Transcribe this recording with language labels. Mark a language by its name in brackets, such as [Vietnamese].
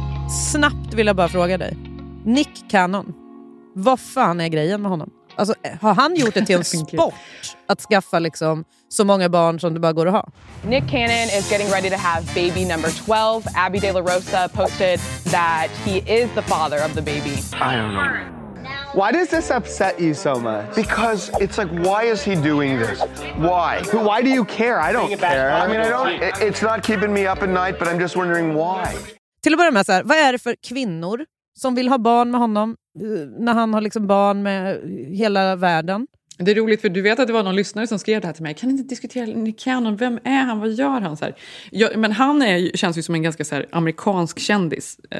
[Swedish] Snabbt vill jag bara fråga dig. Nick Cannon. Vad fan är grejen med honom? Alltså, har han gjort det till en sport att skaffa liksom så många barn som det bara går att ha? [English] Nick Cannon is getting ready to have baby number 12. Abby De La Rosa posted that he is the father of the baby. I don't know. Why does this upset you so much? Because it's like, why is he doing this? Why? Why do you care? I don't care. I mean, I don't. It's not keeping me up at night, but I'm just wondering why. [Swedish] Till att börja med så här, vad är det för kvinnor som vill ha barn med honom? När han har liksom barn med hela världen. Det är roligt för du vet att det var någon lyssnare som skrev det här till mig. Kan inte diskutera Nick Cannon, vem är han, vad gör han? Så här. Jag, men han är, känns ju som en ganska så här amerikansk kändis.